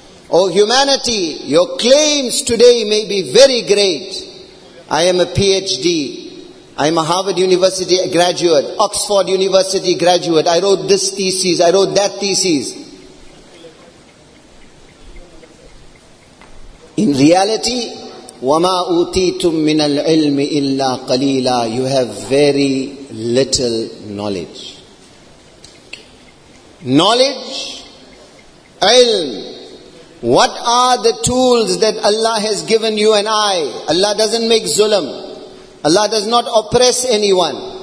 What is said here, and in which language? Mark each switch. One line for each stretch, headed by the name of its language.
English: O humanity, your claims today may be very great. I am a PhD. I am a Harvard University graduate, Oxford University graduate. I wrote this thesis, I wrote that thesis. In reality,
Arabic: وَمَا أُوتِيتُم مِّنَ الْعِلْمِ إِلَّا قَلِيلًا.
English: You have very little knowledge. Knowledge, ilm. What are the tools that Allah has given you and I? Allah doesn't make zulm. Allah does not oppress anyone.